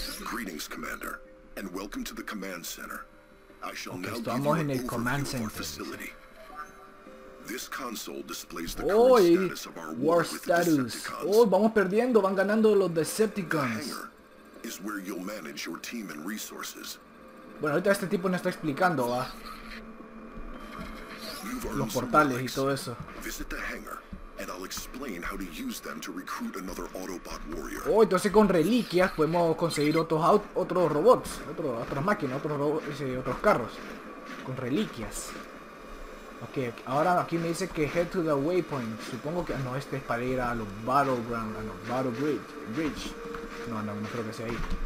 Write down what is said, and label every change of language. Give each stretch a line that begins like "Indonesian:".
English: Greetings, Commander, and welcome to the command center.
Spanish: Ok, estamos en el Command Center.
English: This console displays the current status of our war with the Decepticons.
Spanish: Oh, vamos perdiendo, van ganando los Decepticons.
English: The hangar is where you'll manage your team and resources.
Spanish: Bueno, ahorita este tipo nos está explicando, va. Los portales y todo eso.
English: Visit the hangar and I'll explain how to use them to recruit another Autobot warrior.
Spanish: Oh, entonces con reliquias podemos conseguir otros robots, otras máquinas, otros carros con reliquias. Ok, ahora aquí me dice que
English: head to the waypoint.
Spanish: Supongo que... no, este es para ir a los Battleground, a los Battle Bridge. No creo que sea ahí.